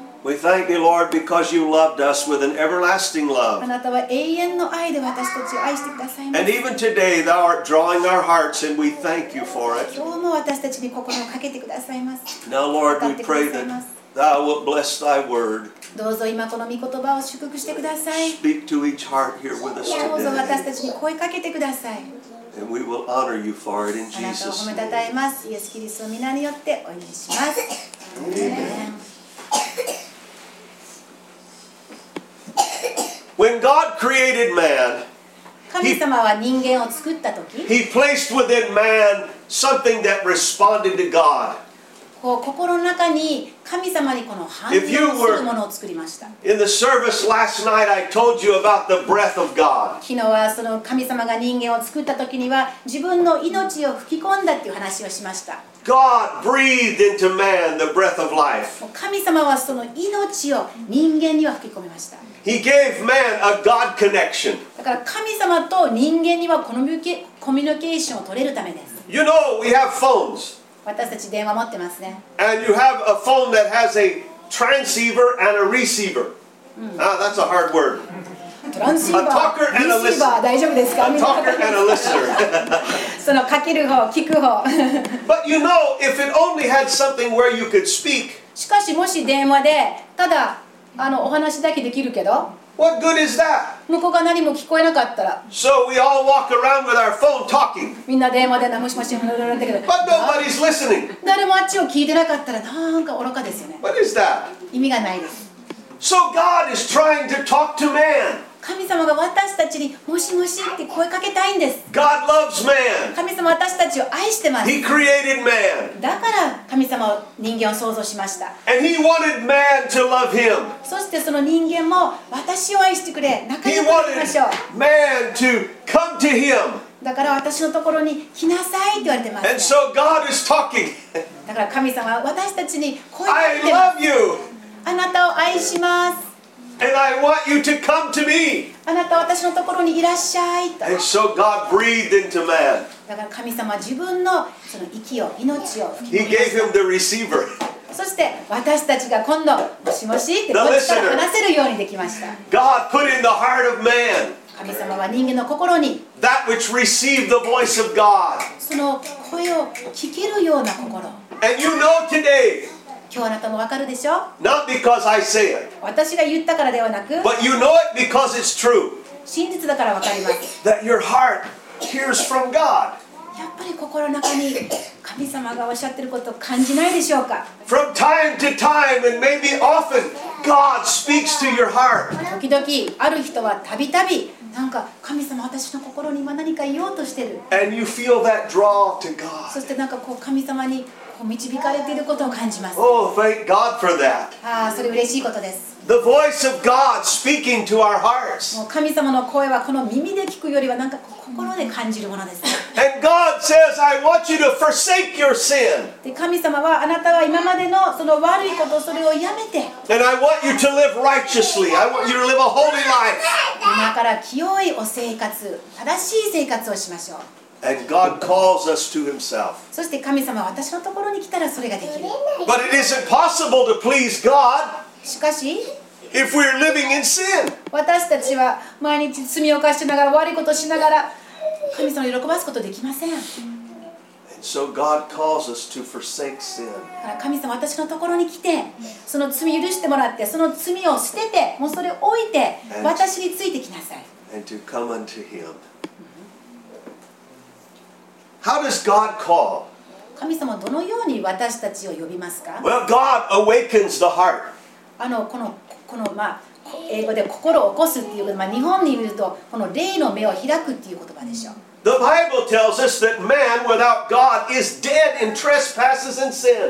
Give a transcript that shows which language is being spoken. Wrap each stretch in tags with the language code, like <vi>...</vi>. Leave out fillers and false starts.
<en>We thank you, Lord, because you loved us with an everlasting love.</en> <ja>あなたは永遠の愛で私たちを愛してくださいました。</ja> <en>And even today, thou art drawing our hearts, and we thank you for it.</en> <ja>今日も私たちに心をかけてくださいます。</ja> <en>Now, Lord, we pray that thou wilt bless thy word.</en> <ja>どうぞ今この御言葉を祝福してください。</ja> <en>Speak to each heart here with us today.</en> <ja>どうぞ私たちに声かけてください。</ja> <en>And we will honor you for it in Jesus' name.</en> <ja>あなたを褒めたたえます。イエス・キリストの名によってお祈りします。</ja> <en>Amen. When God created man,</en> <ja>神様は人間を作った時、</ja> <en>He placed within man something that responded to God.</en> <ja>こう心の中に神様にこの反応するものを作りました。</ja> <en>In the service last night, I told you about the breath of God.</en> <ja>昨日はその神様が人間を作った時には自分の命を吹き込んだっていう話をしました。</ja> <en>God breathed into man the breath of life.</en> <ja>神様はその命を人間には吹き込みました。</ja> <en>He gave man a God connection.</en> <ja>だから神様と人間にはこのコミュニケーションを取れるためです。</ja> <en>You know, we have phones.</en> <ja>私たち電話持ってますね。</ja> <en>And you have a phone that has a transceiver and a receiver. Ah, that's a hard word. Transceiver, receiver,</en> <ja>大丈夫ですか?</ja> <en>A talker and a listener.</en> <ja>そのかける方、聞く方。</ja> <en>But you know, if it only had something where you could speak.</en> <ja>しかしもし電話でただあのお話だけできるけど</ja> <en>What good is that?</en> <ja>向こうが何も聞こえなかったら、</ja> <en>so、we all walk around with our phone talking.</en> <ja>みんな電話で何もしましょうだけど</ja> <en>But nobody's listening.</en> <ja>誰もあっちを聞いてなかったらなんか愚かですよね</ja> <en>What is that?</en> <ja>意味がないです、</ja> <en>so、God is trying to talk to man.</en> <ja>神様が私たちにもしもしって声かけたいんです</ja> <en>God loves man.</en> <ja>神様私たちを愛してます</ja> <en>He created man.</en> <ja>だから神様は人間を創造しました</ja> <en>And he wanted man to love him.</en> <ja>そしてその人間も私を愛してくれ仲良くなりましょう</ja> <en>He wanted man to come to him.</en> <ja>だから私のところに来なさいって言われてます、ね。</ja> <en>And so、God is talking.</en> <ja>だから神様は私たちに声をかけてます。</ja> <en>I love you.</en> <ja>あなたを愛します。</ja> <en>And I want you to come to me.</en> <ja>あなたは私のところにいらっしゃいと。</ja> <en>And so、God breathed into man.</en> <ja>だから神様は自分の、 その息を、命を吹き込みました。</ja> <en>He gave him the receiver.</en> <ja>そして私たちが今度、もしもしってこっちから話せるようにできました。</ja> <en>God put in the heart of man.</en> <ja>神様は人間の心に</ja> <en>That which received the voice of God.</en> <ja>その声を聞けるような心。</ja> <en>And you know today,</en> <ja>今日あなたも分かるでしょ</ja> <en>Not because I say it,</en> <ja>私が言ったからではなく</ja> <en>But you know it because it's true,</en> <ja>真実だから分かります。</ja> <en>That your heart hears from God.</en> <ja>やっぱり心の中に神様がおっしゃってることを感じないでしょうか</ja> <en>From time to time and maybe often,God speaks to your heart.</en> <ja>時々ある人はたびたびなんか神様私の心に今何か言おうとしてる。</ja> <en>And you feel that draw to God.</en> <ja>そしてなんかこう神様にこう導かれていることを感じます。</ja> <en>Oh, thank God for that.</en> <ja>ああ、それ嬉しいことです。</ja> <en>The voice of God speaking to our hearts.</en> <ja>もう神様の声はこの耳で聞くよりはなんかこう心で感じるものです。</ja> <en>And God says, I want you to forsake your sin.</en> <ja>で神様はあなたは今までのその悪いことそれをやめて。</ja> <en>And I want you to live righteously. I want you to live a holy life.</en> <ja>今から清いお生活、正しい生活をしましょう。</ja> <en>And God calls us to Himself.</en> <ja>そして神様は私のところに来たらそれができる。</ja> <en>But it is impossible to please God.</en> <ja>しかし、</ja> <en>If we're living in sin,</en> <ja>私たちは毎日罪を犯しながら悪いことをしながら神様を喜ばすことできません。</ja> <en>And so、God calls us to forsake sin.</en> <ja>神様は私のところに来て、その罪を許してもらって、その罪を捨てて、もうそれを置いて、私についてきなさい。</ja> <en>And to come unto him. How does God call?</en> <ja>神様はどのように私たちを呼びますか?</ja> <en>Well, God awakens the heart.</en> <ja>あのこのこのまあ、英語で心を起こすっていうこと、まあ、日本に言うとこの霊の目を開くっていう言葉でしょう。</ja> <en>The Bible tells us that man without God is dead in trespasses and sin.</en>